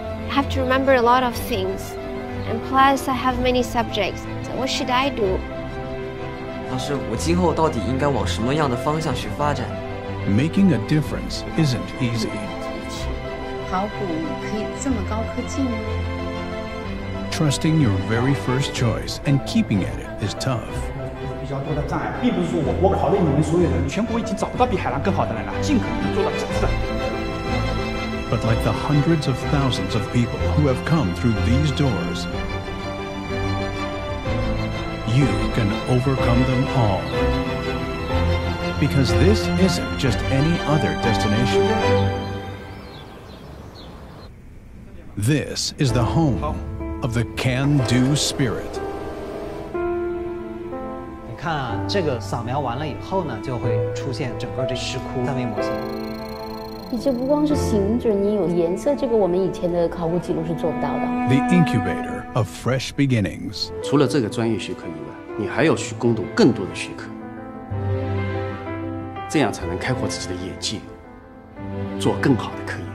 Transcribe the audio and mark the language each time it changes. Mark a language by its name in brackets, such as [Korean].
[English] I have to remember a lot of things, and plus I have many subjects. So what should I do? [Chinese] 老师，我今后到底应该往什么样的方向去发展？ [English] Making a difference isn't easy. [Chinese] 考古可以这么高科技吗？ [English] Trusting your very first choice and keeping at it is tough. [Chinese] 比较多的障碍，并不是我考虑你们所有人，全国已经找不到比海南更好的人了，尽可能做到极致。 [English] But like the hundreds of thousands of people who have come through these doors, you can overcome them all. Because this isn't just any other destination. This is the home of the can-do spirit. [Chinese] 你看啊，这个扫描完了以后呢，就会出现整个这石窟三维模型。你这不光是形制，你有颜色，这个我们以前的考古记录是做不到的。 [English] The incubator of fresh beginnings。 [Chinese] 除了这个专业学科以外，你还要去攻读更多的学科，这样才能开阔自己的眼界，做更好的科研。